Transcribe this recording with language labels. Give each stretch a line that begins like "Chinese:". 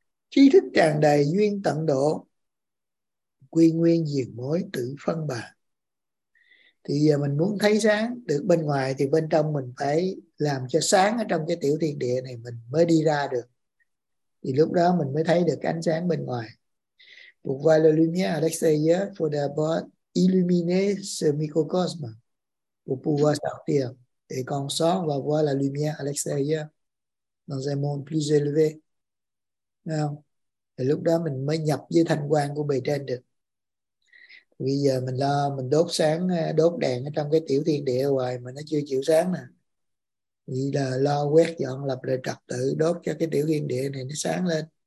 Vietnamese: Trí thức tràn đầy duyên tận độ, quy nguyên diệt mối tự phân bàn. Thì giờ mình muốn thấy sáng được bên ngoài thì bên trong mình phải làm cho sáng ở trong cái tiểu thiên địa này mình mới đi ra được. Thì lúc đó mình mới thấy được ánh sáng bên ngoài.
French: Pour voir la lumière à l'extérieur, il faut d'abord illuminer ce microcosme pour pouvoir sortir. Et quand on sort, on va voir la lumière à l'extérieur dans un monde plus élevé.
Vietnamese: Thì lúc đó mình mới nhập với thanh quang của bề trên được. Bây giờ mình lo mình đốt sáng, đốt đèn ở trong cái tiểu thiên địa hoài mà nó chưa chịu sáng nè. Vì là lo quét dọn lập lại trật tự, đốt cho cái tiểu thiên địa này nó sáng lên.